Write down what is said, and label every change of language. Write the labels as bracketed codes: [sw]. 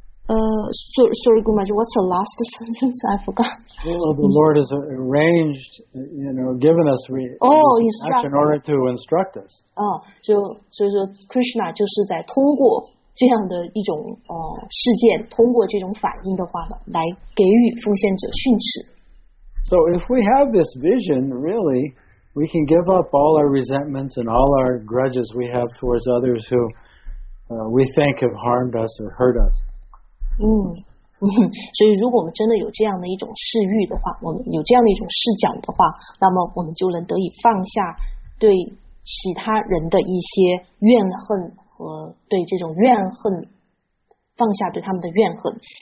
[en] Sorry, Guruji, what's the last sentence? I forgot. Well, the Lord has arranged, you know, given us instruction in order to instruct us. [zh] 所以说 Krishna 就是在通过这样的一种事件，通过这种反应的话呢，来给予奉献者训斥。 [en] So if we have this vision, really, we can give up all our resentments and all our grudges we have towards others who we think have harmed us or hurt us. [zh] 所以如果我们真的有这样的一种视域的话，我们有这样的一种视角的话，那么我们就能得以放下对其他人的一些怨恨和对这种怨恨，放下对他们的怨恨。